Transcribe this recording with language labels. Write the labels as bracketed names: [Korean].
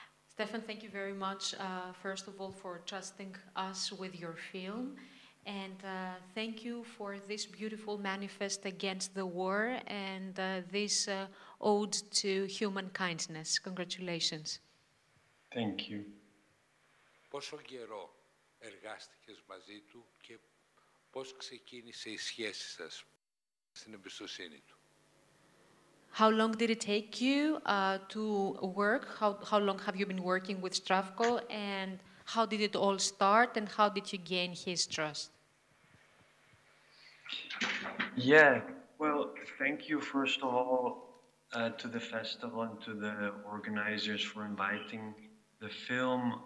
[English] Stefan, thank you very much, first of all, for trusting us with your film. And thank you for this beautiful manifest against the war and this ode to human kindness. Congratulations. Thank you. [Greek] Πόσο καιρό εργάστηκες μαζί του και πώς ξεκίνησε η σχέση σας στην εμπιστοσύνη του? [English] How long did it take you to work? How long have you been working with Stravko? And how did it all start? And how did you gain his trust? Yeah, well, thank you, first of all, to the festival and to the organizers for inviting the film.